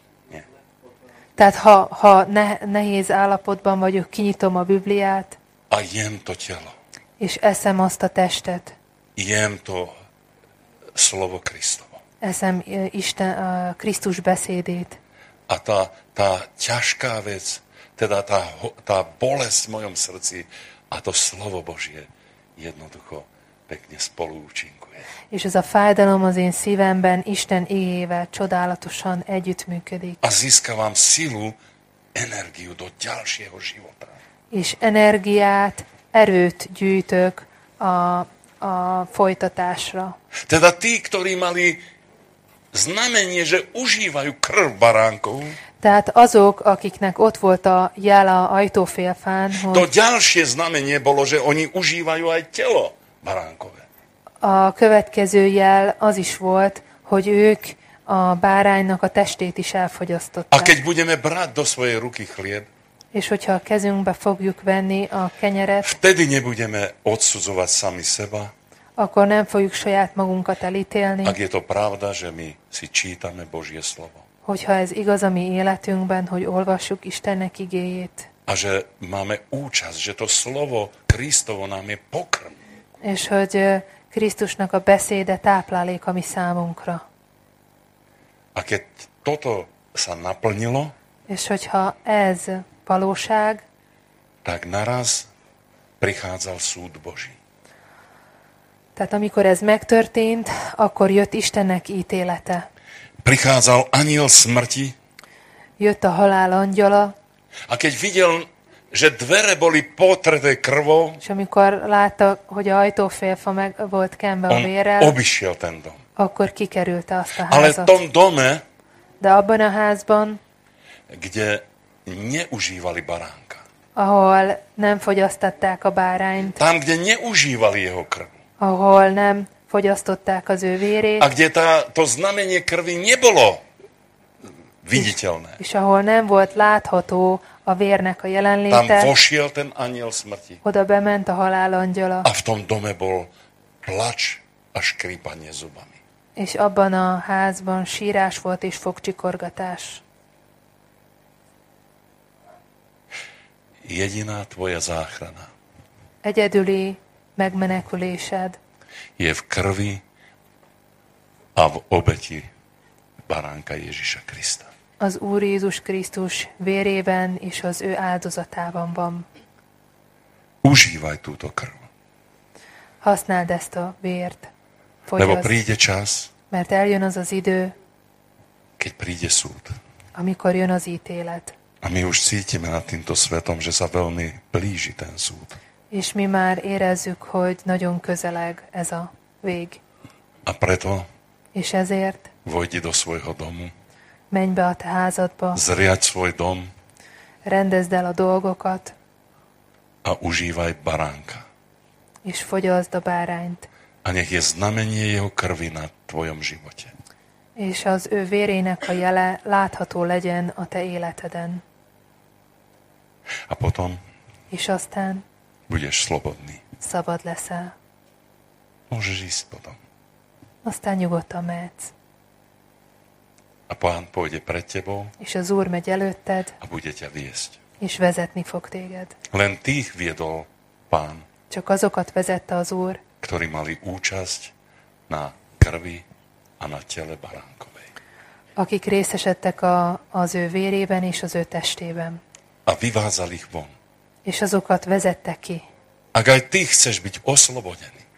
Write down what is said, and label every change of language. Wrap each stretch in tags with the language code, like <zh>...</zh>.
<sk>Nie.</sk> <hu>Tehát ha nehéz állapotban vagyok, kinyitom a Bibliát.</hu> <sk>A jem to telo.</sk> <hu>És eszem azt a testet.</hu> <sk>Jem to slovo Krisztovo.</sk> <hu>Eszem Isten, a Krisztus beszédét.</hu> <sk>A tá ťažká vec, teda tá bolesť v mojom srdci, a to slovo Božie jednoducho pekne spoluúčinkuje.</sk> <hu>És ez a fájdalom az én szívemben Isten igével csodálatosan együttműködik.</hu> <sk>A získavám silu, energiu do ďalšieho života.</sk> <hu>És energiát, erőt gyűjtök a folytatásra.</hu> <sk>Teda tí, ktorí mali znamenie, že užívajú krv baránkov,</sk> <hu>tehát azok, akiknek ott volt a jel a ajtófélfán, hogy</hu> <sk>to ďalšie znamenie bolo, že oni užívajú aj telo baránkové.</sk> <hu>A következő jel az is volt, hogy ők a báránynak a testét is elfogyasztották.</hu> <sk>A keď budeme brať do svojej ruky chlieb,</sk> <hu>és hogyha a kezünkbe fogjuk venni a kenyeret,</hu> <sk>vtedy nebudeme odsudzovať sami seba,</sk> <hu>akkor nem fogjuk saját magunkat elítélni.</hu> <sk>Ak je to pravda, že my si čítame Božie slovo.</sk> <hu>Hogyha ez igaz a mi életünkben, hogy olvassuk Istennek igéjét.</hu> <sk>A že máme účasť, že to slovo Krisztovo nám je pokrm.</sk> <hu>És hogy Krisztusnak a beszéde táplálék a mi számunkra.</hu> <sk>A keď toto sa naplnilo,</sk> <hu>és hogyha ez valóság,</hu> <sk>tak naraz prichádzal súd Boží.</sk> <hu>Tehát amikor ez megtörtént, akkor jött Istennek ítélete.</hu> <sk>Prichádzal aniel smrti.</sk> <hu>Jött a halál angyala.</hu> <sk>A keď videl, že dvere boli potreté krvou,</sk> <hu>és amikor látta, hogy a ajtófélfa meg volt kembe a vérrel,</hu> <sk>on obišiel ten dom.</sk> <hu>Akkor kikerült azt a házat.</hu> <sk>Ale tom dome,</sk> <hu>de abban a házban,</hu> <sk>kde neužívali baránka,</sk> <hu>ahol nem fogyasztották a bárányt,</hu> <sk>tam, kde neužívali jeho krv,</sk> <hu>ahol nem fogyasztották az ő vérét,</hu> <sk>a kde to znamenie krvi nebolo viditeľné,</sk> <hu>és ahol nem volt látható a vérnek a jelenléte,</hu> <sk>tam vošiel ten aniel smrti,</sk> <hu>oda bement a halál angyala,</hu> <sk>a v tom dome bol plač a škrípanie zubami,</sk> <hu>és abban a házban sírás volt és fogcsikorgatás.</hu> <sk>Jediná tvoja záchrana,</sk> <hu>egyedüli megmenekülésed,</hu> <sk>je v krvi a v obeti baránka Ježiša Krista.</sk> <hu>az Úr Jézus Krisztus vérében és az ő áldozatában van.</hu> <sk>Užívaj túto krv.</sk> <hu>Használd ezt a vért.</hu> <sk>Lebo príde čas,</sk> <hu>mert eljön az az idő,</hu> <sk>keď príde súd,</sk> <hu>amikor jön az ítélet.</hu> <sk>A my už cítime nad týmto svetom, že sa veľmi blíži ten súd.</sk> <hu>És mi már érezzük, hogy nagyon közeleg ez a vég.</hu> <sk>A preto?</sk> <hu>És ezért?</hu> <sk>Vojdi do svojho domu.</sk> <hu>Menj be a te házadba.</hu> <sk>Zriadj svoj dom.</sk> <hu>Rendezd el a dolgokat.</hu> <sk>A užívaj baránka.</sk> <hu>És fogyaszd a bárányt.</hu> <sk>A nech je znamenie jeho krvi na tvojom živote.</sk> <hu>És az ő vérének a jele látható legyen a te életeden.</hu> <sk>A potom?</sk> <hu>És aztán?</hu> <sk>Budeš slobodný.</sk> <hu>Szabad leszel.</hu> <sk>Môžeš ísť potom.</sk> <hu>Aztán nyugodtan mehetsz.</hu> <sk>A pán pôjde pred tebou.</sk> <hu>És az Úr megy előtted.</hu> <sk>A bude ťa viesť.</sk> <hu>És vezetni fog téged.</hu> <sk>Len tých viedol pán.</sk> <hu>Csak azokat vezette az Úr.</hu> <sk>Ktorí mali účasť na krvi a na tele baránkovej.</sk> <hu>Akik részesedtek az ő vérében és az ő testében.</hu> <sk>A vyvázal ich von.</sk> <hu>És azokat vezette ki.</hu> <sk>Ak aj ty chceš byť oslobodený.</sk>